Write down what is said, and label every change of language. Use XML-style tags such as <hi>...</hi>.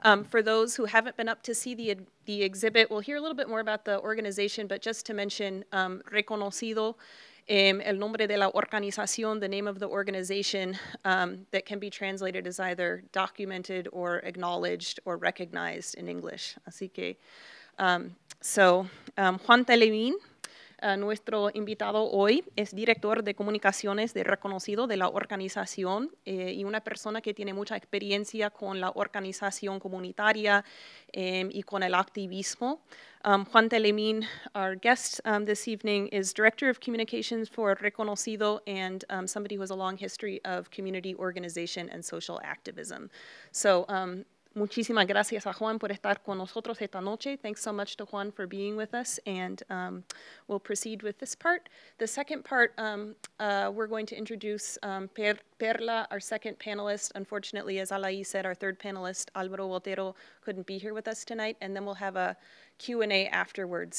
<en>For those who haven't been up to see the exhibit, we'll hear a little bit more about the organization, but just to mention Reconoci.do,</en> <es>el nombre de la organización,</es> <en>the name of the organization that can be translated as either documented or acknowledged or recognized in English.</en> <es>Así que, Juan Telemín, nuestro invitado hoy, es director de comunicaciones de Reconoci.do de la organización y una persona que tiene mucha experiencia con la organización comunitaria y con el activismo.</es> <en>Juan Telemín, our guest this evening, is director of communications for Reconoci.do and somebody who has a long history of community organization and social activism.</en> <es>So, muchísimas gracias a Juan por estar con nosotros esta noche.</es> <en>Thanks so much to Juan for being with us, and we'll proceed with this part. The second part, we're going to introduce Perla, our second panelist. Unfortunately, as Alaí said, our third panelist, Álvaro Voltero, couldn't be here with us tonight, and then we'll have a Q&A afterwards.</en>